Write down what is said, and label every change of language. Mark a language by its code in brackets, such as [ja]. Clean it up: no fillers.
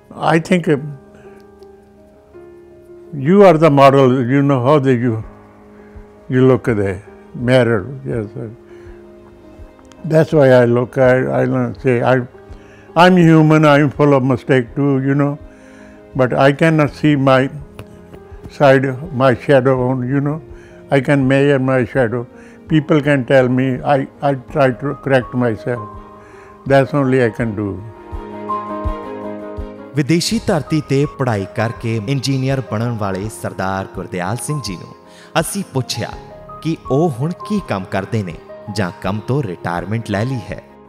[en] I think you are the model, you know how do you look the mirror, yes that's why I look I say I am human, I am full of mistake too, you know, but I can not see my side, my shadow on, you know. I can measure my shadow. People can tell me, I try to correct myself. That's only I can do. [pa] ਵਿਦੇਸ਼ੀ ਧਰਤੀ ਤੇ ਪੜ੍ਹਾਈ ਕਰਕੇ engineer ਬਣਨ ਵਾਲੇ ਸਰਦਾਰ ਗੁਰਦਿਆਲ ਸਿੰਘ ਜੀ ਨੂੰ ਅਸੀਂ ਪੁੱਛਿਆ ਕਿ ਉਹ ਹੁਣ ਕੀ ਕੰਮ ਕਰਦੇ ਨੇ ਜਾਂ ਕੰਮ ਤੋਂ ਰਿਟਾਇਰਮੈਂਟ ਲੈ ਲਈ ਹੈ।